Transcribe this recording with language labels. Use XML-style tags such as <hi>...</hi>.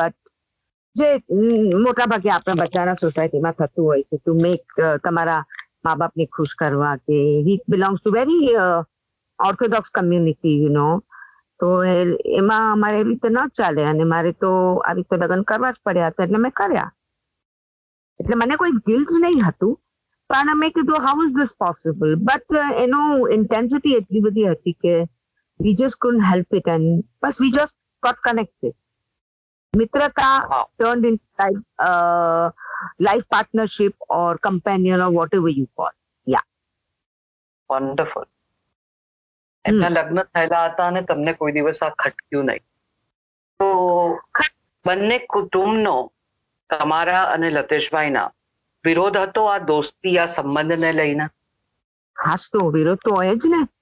<gu>But જે મોટાભાગે આપણા બધાના સોસાયટીમાં થતું હોય કે</gu> <en>to make</en> <gu>તમારા મા બાપને ખુશ કરવા, કે</gu> <en>he belongs to very orthodox community, you know,</en> <gu>તો એમાં અમારે એવી રીતે ન ચાલે, અને મારે તો આવી રીતે લગ્ન કરવા જ પડ્યા હતા, એટલે મેં કર્યા. એટલે મને કોઈ ગિલ્ટ નહીં હતું, પણ મેં કીધું</gu> <en>How is this possible.</en> <gu>But એનો ઇન્ટેન્સિટી એટલી બધી હતી કે</gu> <en>we just couldn't help it and plus we just got connected. Mitrata turned into like a life partnership or companion or whatever you call. Yeah. Wonderful.</en> <gu>એમના લગ્ન થયેલા હતા અને તમને કોઈ દિવસ આ ખટક્યું નહીં. તો બંને કુટુંબનો તમારા અને લતેશભાઈના વિરોધ હતો આ દોસ્તી આ સંબંધને લઈને? હા તો વિરોધ તો હોય જ ને.</gu>